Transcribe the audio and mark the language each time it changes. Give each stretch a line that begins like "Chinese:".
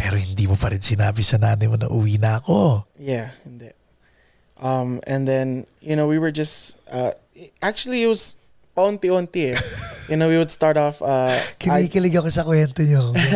Filipino: Pero hindi mo pa rin sinabi sa nanay mo na uwi na ako. Yeah, hindi.
English: And then, you know, we were just, actually, it was
Filipino: onti-onti eh.
English: You know, we would start off.
Filipino: Kinikilig ako sa kwento niyo.